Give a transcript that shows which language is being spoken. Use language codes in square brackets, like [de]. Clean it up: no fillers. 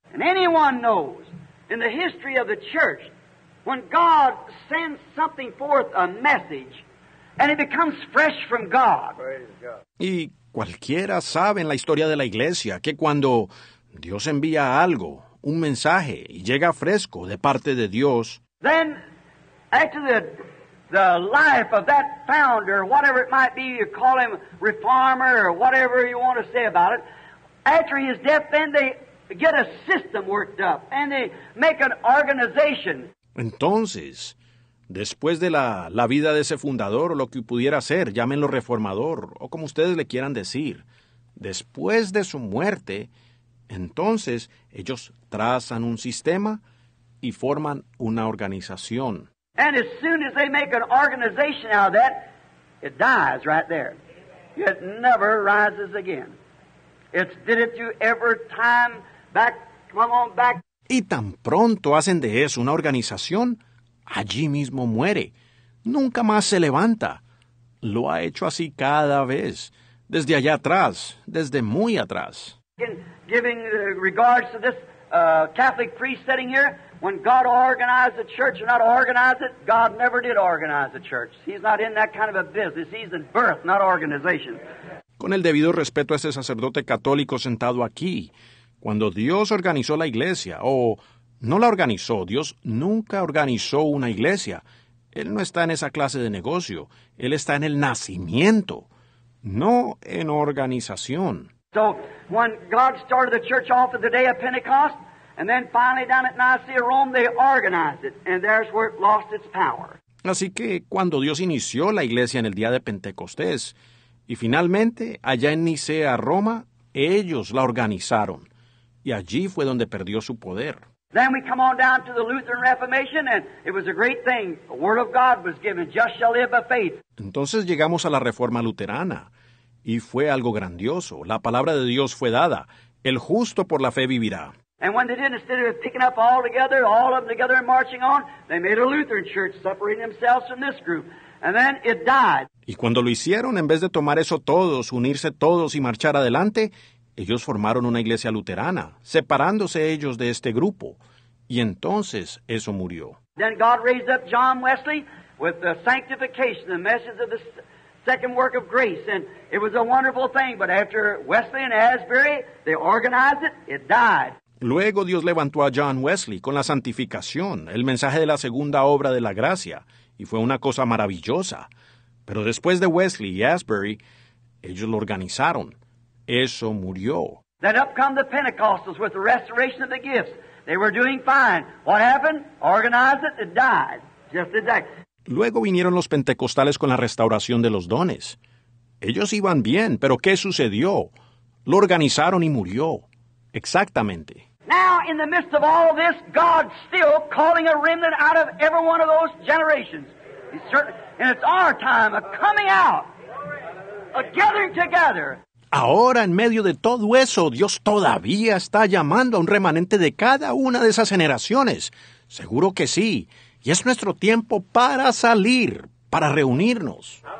[en] And anyone knows, in the history of the church, when God sends something forth, a message, and it becomes fresh from God. [es] Y cualquiera sabe en la historia de la iglesia que cuando Dios envía algo, un mensaje y llega fresco de parte de Dios. [en] Then, after the life of that founder, whatever it might be, you call him reformer or whatever you want to say about it, after his death, then they get a system worked up and they make an organization. [es] Entonces, después de la vida de ese fundador o lo que pudiera ser, llámenlo reformador o como ustedes le quieran decir, después de su muerte, entonces, ellos trazan un sistema y forman una organización. [en] And as soon as they make an organization out of that, it dies right there. It never rises again. It's did it through every time, back, come on back. [es] Y tan pronto hacen de eso una organización, allí mismo muere. Nunca más se levanta. Lo ha hecho así cada vez, desde allá atrás, desde muy atrás. [en] Giving regards to this Catholic priest sitting here, when God organized the church or not organized it, God never did organize the church. He's not in that kind of a business. He's in birth, not organization. [es] Con el debido respeto a este sacerdote católico sentado aquí, cuando Dios organizó la iglesia, o no la organizó, Dios nunca organizó una iglesia. Él no está en esa clase de negocio. Él está en el nacimiento, no en organización. [en] So, when God started the church off at the day of Pentecost, and then finally down at Nicaea, Rome, they organized it, and there's where it lost its power. [es] Así que cuando Dios inició la iglesia en el día de Pentecostés, y finalmente allá en Nicea, Roma, ellos la organizaron. Y allí fue donde perdió su poder. [en] Then we come on down to the Lutheran Reformation, and it was a great thing. The Word of God was given. Just shall live by faith. [es] Entonces llegamos a la Reforma Luterana, y fue algo grandioso. La palabra de Dios fue dada. El justo por la fe vivirá. [en] And when they did, instead of picking up all of them together and marching on, they made a Lutheran church, separating themselves from this group. And then it died. [es] Y cuando lo hicieron, en vez de tomar eso todos, unirse todos y marchar adelante, ellos formaron una iglesia luterana, separándose ellos de este grupo. Y entonces eso murió. [en] Then God raised up John Wesley with the sanctification, the message of the second work of grace. And it was a wonderful thing. But after Wesley and Asbury, they organized it, it died. [es] Luego Dios levantó a John Wesley con la santificación, el mensaje de la segunda obra de la gracia. Y fue una cosa maravillosa. Pero después de Wesley y Asbury, ellos lo organizaron. Eso murió. [en] Then up come the Pentecostals with the restoration of the gifts. They were doing fine. What happened? Organized it and died. Just exactly. [es] Luego vinieron los pentecostales con la restauración de los dones. Ellos iban bien, pero ¿qué sucedió? Lo organizaron y murió. Exactamente. [en] Now, in the midst of all of this, God's still calling a remnant out of every one of those generations. And it's our time of coming out, a gathering together. [es] Ahora, en medio de todo eso, Dios todavía está llamando a un remanente de cada una de esas generaciones. Seguro que sí. Y es nuestro tiempo para salir, para reunirnos.